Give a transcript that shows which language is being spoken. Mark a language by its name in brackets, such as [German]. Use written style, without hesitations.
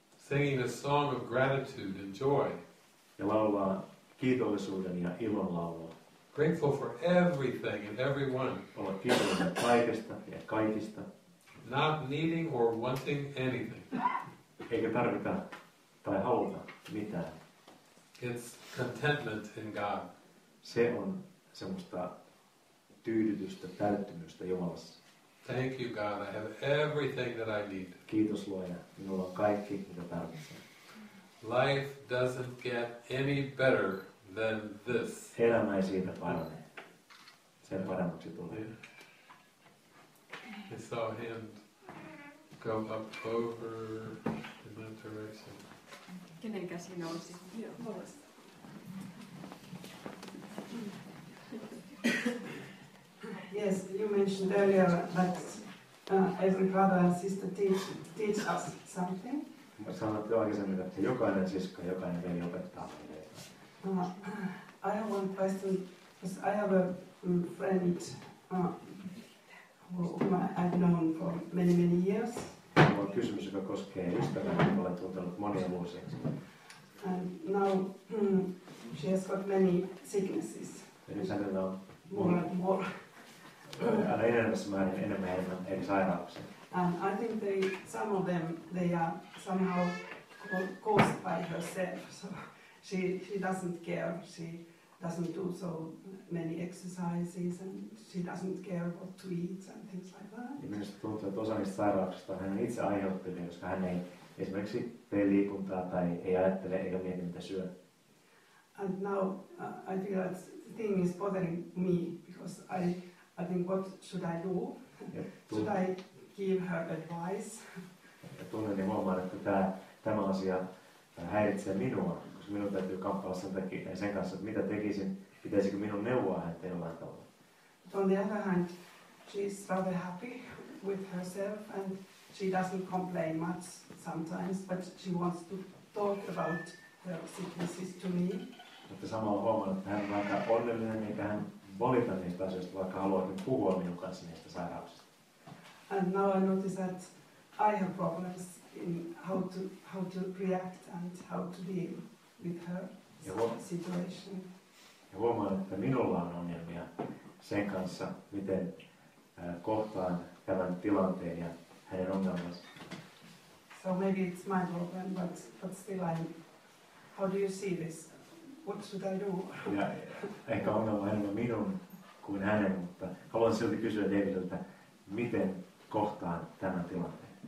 [English] Singing a song of gratitude and joy. [Finnish] Ja laulaa kiitollisuuden ja ilon laulua. [English] Grateful for everything and everyone. [Finnish] Olla kiitollinen kaikesta ja kaikista. [English] Not needing or wanting anything. [Finnish] Eikä tarvita tai haluta mitään. [English] It's contentment in God. [Finnish] Se on semmoista tyydytystä, täyttymystä Jumalassa. [English] Thank you, God. I have everything that I need. [Finnish] Kiitos Luoja. Minulla on kaikki, mitä tarvitsen. [English] Life doesn't get any better than this. [Finnish] Elämä ei siitä parane. Sen paremmaksi tulee. [English] I saw him go up over in that direction. [Finnish] Kenen käsi nousi? Joo. [English] Yes, you mentioned earlier that every brother and sister teach us something. [Finnish] Sanoit jo aikaisemmin, että jokainen sisko, jokainen veli opettaa meille. [English] I have one question, because I have a friend whom I've known for many, many years. [Finnish] Mulla on kysymys, joka koskee ystävää, jota olen tuntenut monia vuosia. [English] And now she has got many sicknesses. [Finnish] Eli hänellä on [English] more and more. [Finnish] Aina enemmässä määrin enemmän eri sairauksia. [English] And I think they, some of them, they are somehow caused by herself. So she doesn't care. She doesn't do so many exercises and she doesn't care what to eat and things like that. [Finnish] Ja minusta tuntuu, että osa niistä sairauksista hän on itse aiheuttanut, koska hän ei esimerkiksi tee liikuntaa tai ei ajattele eikä mieti mitä syö. [English] And now I feel that the thing is bothering me because I think what should I do? Should I give her advice? [Finnish] Tunnen ja huomaan, että tämä asia häiritsee minua, koska minun täytyy kamppailla sen kanssa, että mitä tekisin, pitäisikö minun neuvoa häntä jollain tavalla. [English] But on the other hand, she's rather happy with herself and she doesn't complain much sometimes, but she wants to talk about her sicknesses to me. [Finnish] Mutta samalla huomaan, että hän on aika onnellinen, eikä hän valita niistä asioista, vaikka haluakin puhua minun kanssa niistä sairauksista. [English] And now I notice that I have problems in how to react and how to deal with her situation. [Finnish] Ja huomaan, että minulla on ongelmia sen kanssa, miten kohtaan tämän tilanteen ja hänen ongelmansa. [English] So maybe it's my problem, but still how do you see this? What should I do? [Finnish] Ja ehkä ongelma on enemmän minun kuin hänen, mutta haluan silti kysyä Davidiltä, miten kohtaan tämän tilanteen.